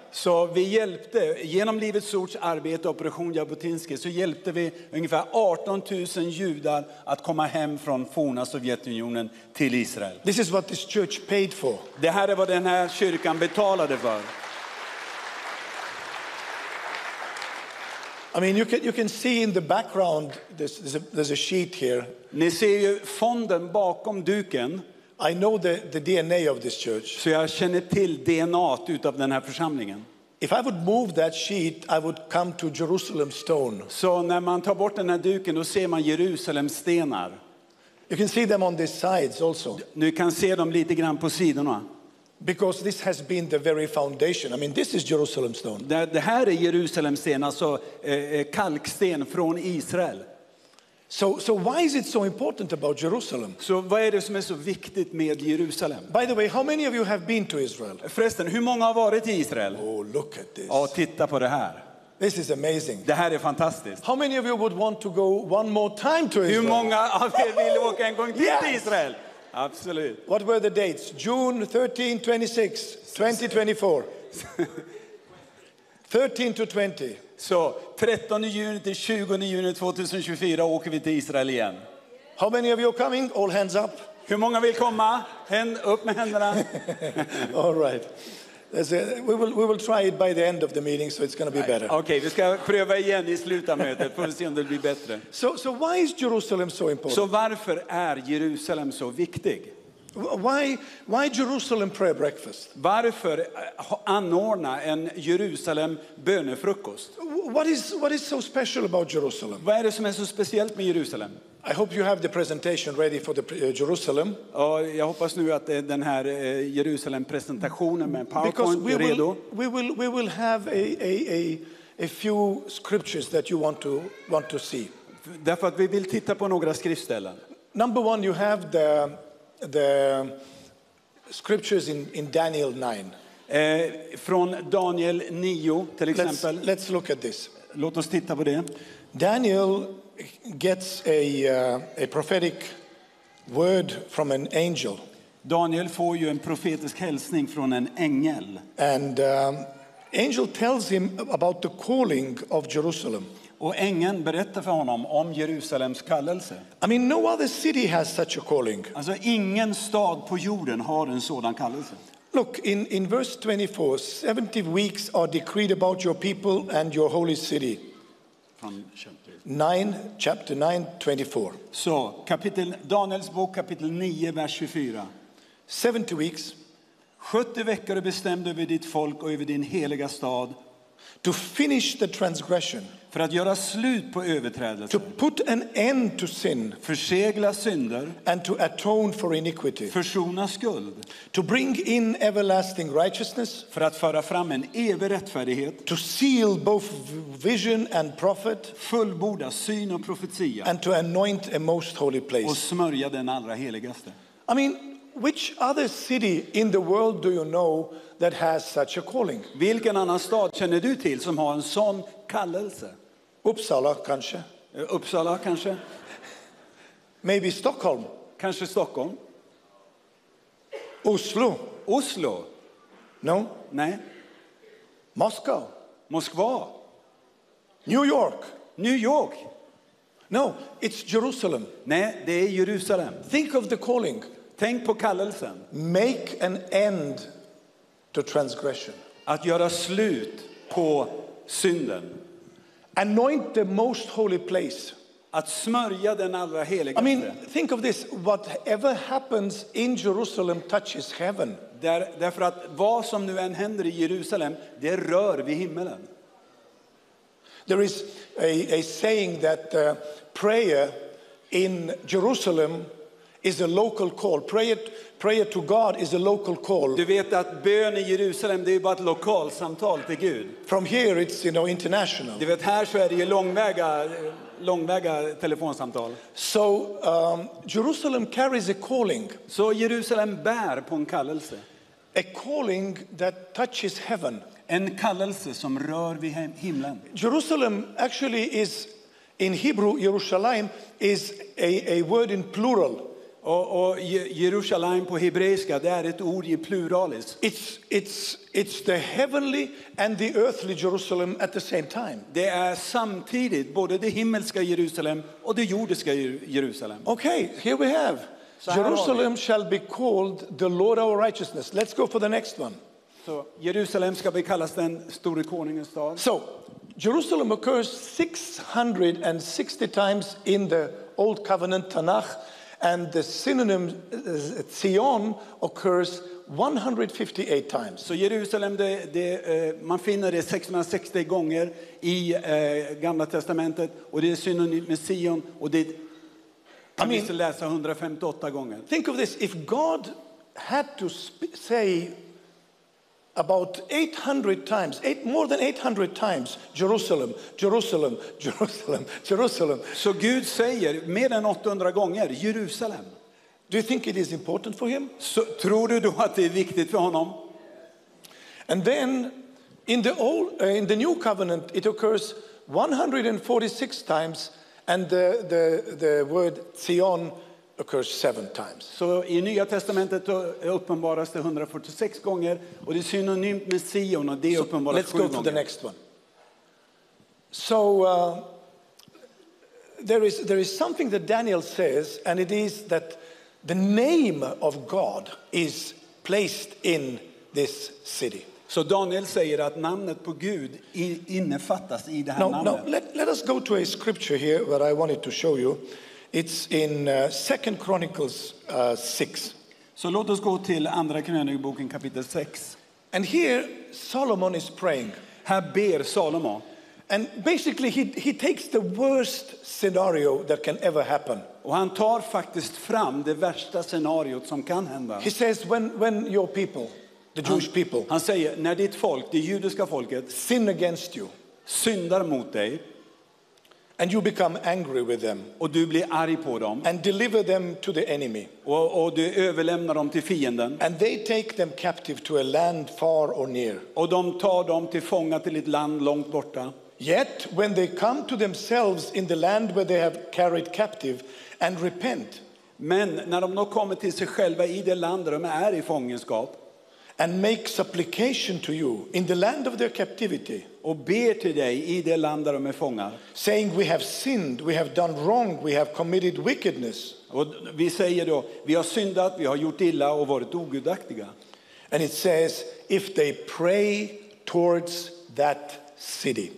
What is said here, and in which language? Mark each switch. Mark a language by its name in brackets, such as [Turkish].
[Swedish] Så vi hjälpte genom Livets Ords arbete och Operation Jabotinsky, så hjälpte vi ungefär 18,000 judar att komma hem från forna Sovjetunionen till Israel. [English] This is what this church paid for. [Swedish] Det här är vad den här kyrkan betalade för. [English] I mean, you can see in the background there's a sheet here. [Swedish] Ni ser ju fonden bakom duken. [English] I know the DNA of this church. [Swedish] Så jag känner till DNA utav den här församlingen. [English] If I would move that sheet, I would come to Jerusalem stone. [Swedish] Så när man tar bort den här duken, då ser man Jerusalems stenar. [English] You can see them on these sides also. [Swedish] Nu kan se dem lite grann på sidorna. [English] Because this has been the very foundation. I mean, this is Jerusalem stone. [Swedish] Det här är Jerusalems sten, alltså kalksten från Israel. [English] So why is it so important about Jerusalem? [Swedish] Så vad är det som är så viktigt med Jerusalem? [English] By the way, how many of you have been to Israel? [Swedish] Förresten, hur många har varit i Israel? [English] Oh, look at this. [Swedish] Ja, titta på det här. [English] This is amazing. [Swedish] Det här är fantastiskt. [English] How many of you would want to go one more time to Israel? [Swedish] Hur många av er vill åka en gång till Israel? Absolut. [English] What were the dates? June 13, 26, 2024. 13 to 20. [Swedish] Så 13 juni till 20 juni 2024 åker vi till Israel igen. [English] How many of you are coming? All hands up. [Swedish] Hur många vill komma? Hand upp med händerna. [English] All right. We will try it by the end of the meeting, so it's going to be better. [Swedish] Okay, vi ska pröva igen i slutamötet för att se om det blir bättre. [English] So why is Jerusalem so important? [Swedish] Så varför är Jerusalem så viktig? [English] Why Jerusalem prayer breakfast? [Swedish] Varför anordna en Jerusalem bönefrukost? [English] What is so special about Jerusalem? [Swedish] Vad är det som är så speciellt med Jerusalem? [English] I hope you have the presentation ready for the Jerusalem. [Swedish] Jag hoppas nu att den här Jerusalem presentationen med PowerPoint är redo. [English] We will have a few scriptures that you want to see. [Swedish] Därför att vi vill titta på några skriftställen. [English] Number one, you have the scriptures in Daniel 9. [Swedish] Från Daniel 9 till exempel. [English] Let's look at this. [Swedish] Låt oss titta på det. [English] Daniel gets a prophetic word from an angel. [Swedish] Daniel får ju en profetisk hälsning från en ängel. [English] And angel tells him about the calling of Jerusalem. [Swedish] Och ängeln berättar för honom om Jerusalems kallelse. [English] I mean, no other city has such a calling. [Swedish] Alltså ingen stad på jorden har en sådan kallelse. [English] Look in verse 24, 70 weeks are decreed about your people and your holy city. From chapter 9, 24. [Swedish] Så kapitel Daniels bok kapitel 9 vers 24. [English] 70 weeks. [Swedish] 70 veckor är bestämd över ditt folk och över din heliga stad. [English] To finish the transgression. [Swedish] För att göra slut på överträdelser. [English] To put an end to sin. [Swedish] Försegla synder. [English] And to atone for iniquity. [Swedish] Försona skuld. [English] To bring in everlasting righteousness. [Swedish] För att föra fram en evig rättfärdighet. [English] To seal both vision and prophet. [Swedish] Fullborda syn och profetia. [English] And to anoint a most holy place. [Swedish] Och smörja den allra heligaste. [English] I mean, which other city in the world do you know that has such a calling? [Swedish] Vilken annan stad känner du till som har en sån kallelse? Uppsala kanske. Uppsala kanske. [English] Maybe Stockholm. [Swedish] Kanske Stockholm. Oslo. Oslo. [English] No. [Swedish] Nej. [English] Moscow. [Swedish] Moskva. New York. New York. [English] No, it's Jerusalem. [Swedish] Nej, det är Jerusalem. [English] Think of the calling. [Swedish] Tänk på kallelsen. [English] Make an end to transgression. [Swedish] Att göra slut på synden. [English] Anoint the most holy place. [Swedish] Att smörja den allra heligaste. [English] I mean, think of this. Whatever happens in Jerusalem touches heaven. [Swedish] Därför att vad som nu än händer i Jerusalem, det rör vid himmelen. [English] There is a saying that prayer in Jerusalem is a local call. Prayer to God is a local call. [Swedish] Du vet att bön i Jerusalem, det är bara ett lokalt samtal till Gud. [English] From here it's, you know, international. [Swedish] Du vet, här så är det ju långväga telefonsamtal. [English] So Jerusalem carries a calling. [Swedish] Så Jerusalem bär på en kallelse. [English] A calling that touches heaven. [Swedish] En kallelse som rör vid himlen. [English] Jerusalem actually is, in Hebrew, Jerusalem is a word in plural. [Swedish] Och Jerusalem på hebreiska, det är ett ord I pluralis. [English] It's the heavenly and the earthly Jerusalem at the same time. [Swedish] Det är samtidigt både det himmelska Jerusalem och det jordiska Jerusalem. [English] Okay, here we have. So Jerusalem shall be called the Lord our righteousness. Let's go for the next one. [Swedish] Så Jerusalem ska bli kallas den store konungens stad. [English] So, Jerusalem occurs 660 times in the Old Covenant Tanakh. And the synonym Zion occurs 158 times. [Swedish] Så Jerusalem, man finner det 660 gånger I Gamla Testamentet. Och det är synonym med Zion. Och det kan vi läsa 158 gånger. [English] Think of this. If God had to say about 800 times, more than 800 times, Jerusalem, Jerusalem, Jerusalem, Jerusalem. [Swedish] So Gud säger mer än 800 gånger, Jerusalem. [English] Do you think it is important for him? [Swedish] So, tror du då att det är viktigt för honom? [English] And then, in the New Covenant, it occurs 146 times, and the word Zion occurs 7 times. [Swedish] Så I Nya Testamentet uppenbaras det 146 gånger och det är synonymt med Sion och det är uppenbarat 7 gånger. [English] Let's go to the next one. So there is something that Daniel says and it is that the name of God is placed in this city. [Swedish] Så Daniel säger att namnet på Gud innefattas I det här namnet. [English] No, let us go to a scripture here where I wanted to show you. It's in 2 Chronicles 6. [Swedish] Så låt oss gå till andra krönikboken kapitel 6. [English] And here Solomon is praying. [Swedish] Här ber Salomon. [English] And basically he takes the worst scenario that can ever happen. [Swedish] Och han tar faktiskt fram det värsta scenariot som kan hända. [English] He says when your people, the Jewish people, [Swedish] han säger när ditt folk, det judiska folket, [English] sin against you, [Swedish] syndar mot dig. [English] And you become angry with them. [Swedish] Och du blir arg på dem. [English] And deliver them to the enemy. [Swedish] Och du överlämnar dem till fienden. [English] And they take them captive to a land far or near. [Swedish] Och de tar dem till fånga till ett land långt borta. [English] Yet when they come to themselves in the land where they have carried captive and repent. [Swedish] Men när de kommer till sig själva I det land där de är I fångenskap. [English] And make supplication to you in the land of their captivity. [Swedish] Och ber till dig I det land där de fångar. [English] Saying we have sinned, we have done wrong, we have committed wickedness. [Swedish] Och vi säger då, vi har syndat, vi har gjort illa och varit ogudaktiga. [English] And it says, if they pray towards that city.